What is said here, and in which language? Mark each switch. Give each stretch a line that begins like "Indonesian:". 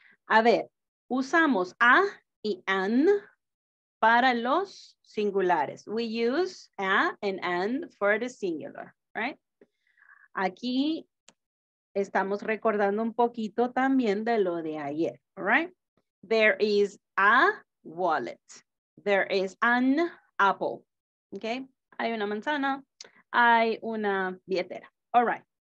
Spanish: A ver, usamos a y an para los singulares.
English: We use a and an for the singular, right?
Spanish: Aquí estamos recordando un poquito también de lo de ayer, right?
English: There is a wallet. There is an apple, okay?
Spanish: Hay una manzana, hay una billetera,
English: all right.